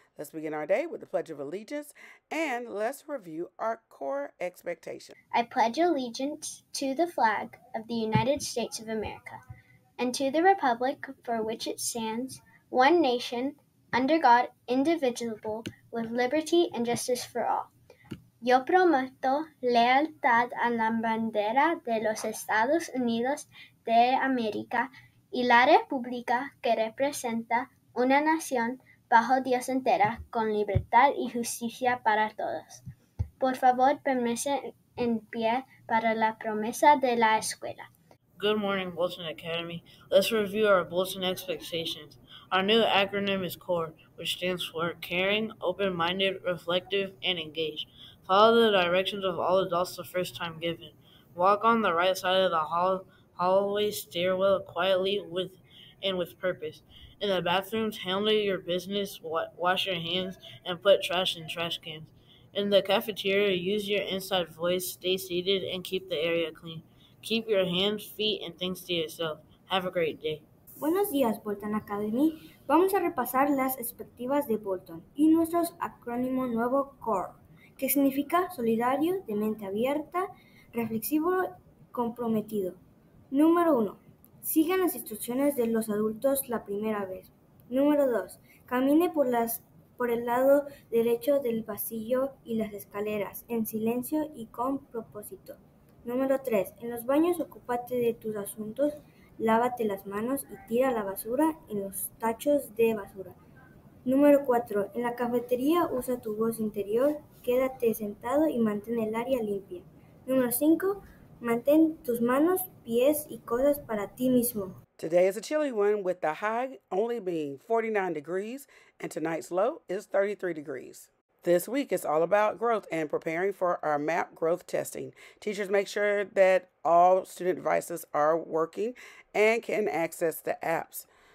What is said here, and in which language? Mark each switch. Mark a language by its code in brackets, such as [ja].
[en] Let's begin our day with the Pledge of Allegiance, and let's review our core expectations. I pledge allegiance to the flag of the United States of America, and to the republic for which it stands, one nation, under God, indivisible, with liberty and justice for all. [es] Yo prometo lealtad a la bandera de los Estados Unidos de América y la República que representa una nación bajo Dios entera con libertad y justicia para todos. Por favor, permanece en pie para la promesa de la escuela. [en] Good morning, Bolton Academy. Let's review our Bolton expectations. Our new acronym is CORE, which stands for Caring, Open-Minded, Reflective, and Engaged. Follow the directions of all adults the first time given. Walk on the right side of the hallway stairwell quietly with purpose. In the bathrooms, handle your business, wash your hands, and put trash in trash cans. In the cafeteria, use your inside voice, stay seated, and keep the area clean. Keep your hands, feet, and things to yourself. Have a great day. [es] Buenos días, Bolton Academy. Vamos a repasar las expectativas de Bolton y nuestro acrónimo nuevo CORE, que significa solidario, de mente abierta, reflexivo, comprometido. Número 1. Sigan las instrucciones de los adultos la primera vez. Número 2. Camine por el lado derecho del pasillo y las escaleras, en silencio y con propósito. Número 3. En los baños, ocúpate de tus asuntos, lávate las manos y tira la basura en los tachos de basura. Número 4. En la cafetería, usa tu voz interior, quédate sentado y mantén el área limpia. Número 5. Mantén tus manos, pies y cosas para ti mismo. [en] Today is a chilly one with the high only being 49 degrees and tonight's low is 33 degrees. This week is all about growth and preparing for our MAP growth testing. Teachers, make sure that all student devices are working and can access the apps.